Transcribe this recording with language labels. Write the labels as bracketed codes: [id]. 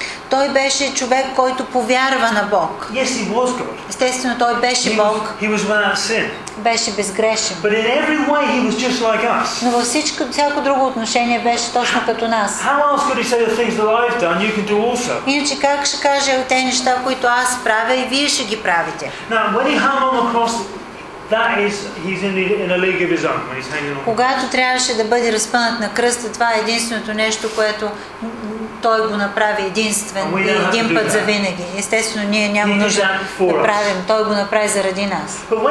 [bg] Той беше човек, който повярва на Бог. Естествено, той беше Бог. Беше безгрешен. [en] But in every way he was just like us. [bg] Но във всяко друго отношение беше точно като нас. [en] How else could he say the things that I've done, you can do also? [bg] Иначе как ще каже от тези неща, които аз правя, и вие ще ги правите? [en] Now when he hung on the cross, that is he's in a league of his own. [bg] Когато трябваше да бъде разпънат на кръста, това е единственото нещо, което Той го направи единствен и един път за винаги. Естествено, ние няма нужда да правим. Той го направи заради нас.